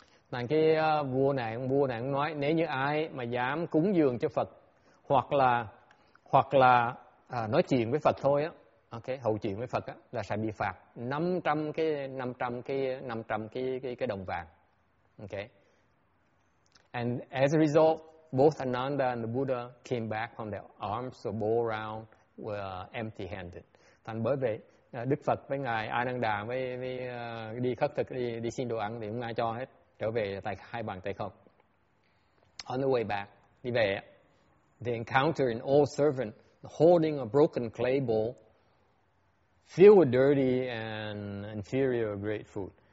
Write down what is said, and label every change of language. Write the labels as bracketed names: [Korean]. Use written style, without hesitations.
[Vietnamese] Thành cái vua này ông nói nếu như ai mà dám cúng dường cho Phật hoặc là nói chuyện với Phật thôi á, okay, hầu chuyện với Phật á, là sẽ bị phạt 500 cái đồng vàng. [English] Okay. And as a result, both Ananda and the Buddha came back from their arms of bow around empty-handed. [Vietnamese] Thành bởi vậy, Đức Phật với ngài Ananda với đi khất thực đi xin đồ ăn thì không ai cho hết, trở về tay hai bàn tay không. [English] On the way back, [Vietnamese] đi về, [English] they encounter an old servant holding a broken clay bowl filled with dirty and inferior great food.